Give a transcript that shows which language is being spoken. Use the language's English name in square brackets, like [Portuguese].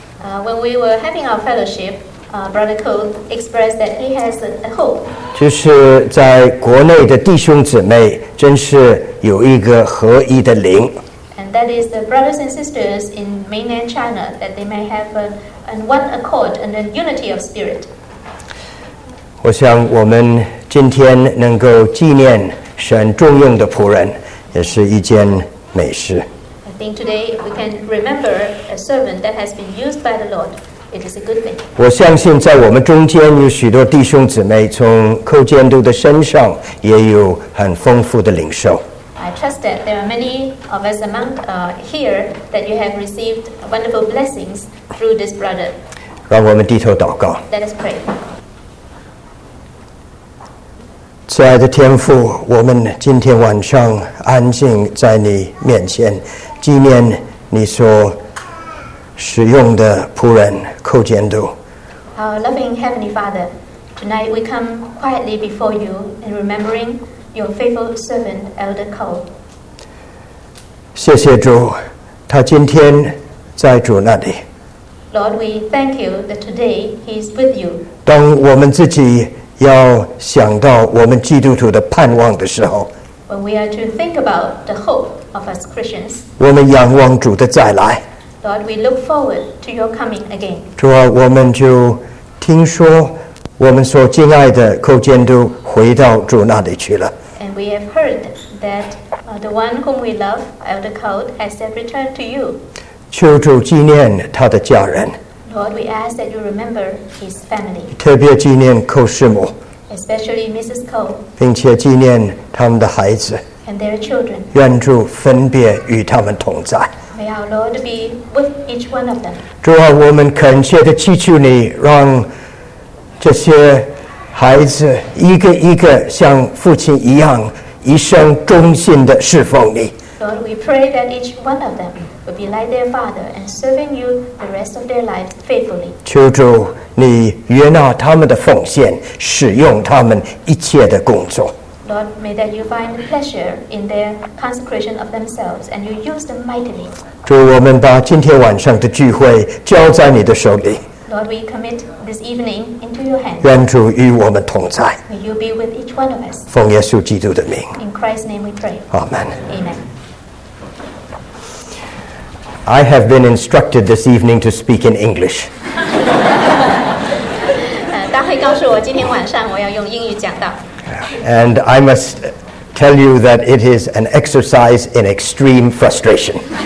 [English] When we were having our fellowship, Brother Ko expressed that he has a hope. [Chinese] 就是在国内的弟兄姊妹真是有一个合一的灵。 [English] And that is the brothers and sisters in mainland China that they may have an one accord and a unity of spirit. [Chinese] 我想我们今天能够纪念神重用的仆人。也是一件美事。 [English] I think today we can remember a servant that has been used by the Lord. It is a good thing. [Chinese] 我相信在我们中间有许多弟兄姊妹，从寇监督的身上也有很丰富的领受。 [English] I trust that there are many of us among here that you have received wonderful blessings through this brother. [Chinese] 让我们低头祷告。 [English] Let us pray. [Chinese] 亲爱的天父，我们今天晚上安静在你面前，纪念你所使用的仆人寇监督。 [English] Our loving Heavenly Father, Tonight we come quietly before you in remembering your faithful servant, Elder Cole. [Chinese] 谢谢主，他今天在主那里。 [English] Lord, we thank you that today he is with you. [Chinese] 当我们自己要想到我们基督徒的盼望的时候， [English] When we are to think about the hope of us Christians, [Chinese] 我们仰望主的再来。 [English] Lord, we look forward to your coming again. [Chinese] 主啊，我们就听说我们所敬爱的寇监督回到主那里去了。 [English] And we have heard that the one whom we love, Elder Cole, has returned to you. [Chinese] 求主纪念他的家人。 [English] Lord, we ask that you remember his family. [Chinese] 特别纪念寇师母。 [English] Especially Mrs. Cole. [Chinese] 并且纪念他们的孩子。 [English] And their children. [Chinese] 愿主分别与他们同在。 [English] May our Lord be with each one of them. [Chinese] 主啊，我们恳切地祈求你让这些孩子一个一个像父亲一样一生忠心地侍奉你。 [English] Lord, we pray that each one of them will be like their father and serving you the rest of their life faithfully. [Chinese] 求主你悦纳他们的奉献，使用他们一切的工作。 [English] Lord, may that you find pleasure in their consecration of themselves and you use them mightily. [Chinese] 主，我们把今天晚上的聚会交在你的手里。 [English] Lord, we commit this evening into your hands. [Chinese] 愿主与我们同在。 [English] May you be with each one of us. [Chinese] 奉耶稣基督的名。 [English] In Christ's name we pray. Amen. Amen. I have been instructed this evening to speak in English. [Chinese] 大会告诉我今天晚上我要用英语讲道。 [English] And I must tell you that it is an exercise in extreme frustration.